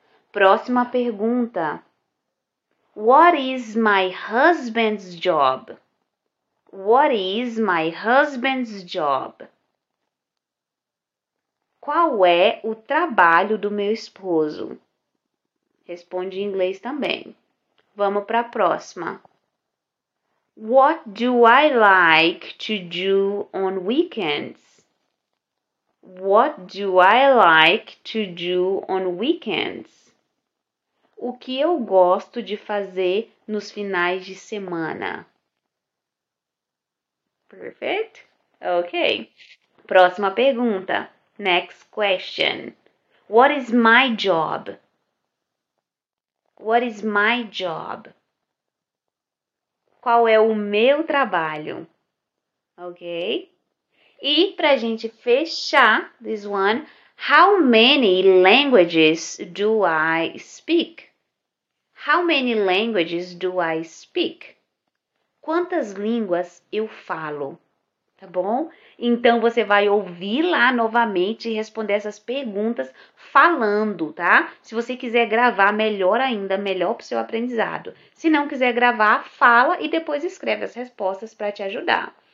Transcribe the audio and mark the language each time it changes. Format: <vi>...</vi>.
<pt>Próxima pergunta.</pt> <en>What is my husband's job? What is my husband's job?</en> <pt>Qual é o trabalho do meu esposo? Responde em inglês também. Vamos para a próxima.</pt> <en>What do I like to do on weekends? What do I like to do on weekends?</en> <pt>O que eu gosto de fazer nos finais de semana? Perfect? Ok. Próxima pergunta.</pt> <en>Next question. What is my job? What is my job?</en> <pt>Qual é o meu trabalho? Ok? E para a gente fechar</pt> <en>this one, how many languages do I speak? How many languages do I speak?</en> <pt>Quantas línguas eu falo? Tá bom? Então você vai ouvir lá novamente e responder essas perguntas falando, tá? Se você quiser gravar, melhor ainda, melhor para o seu aprendizado. Se não quiser gravar, fala e depois escreve as respostas para te ajudar.</pt>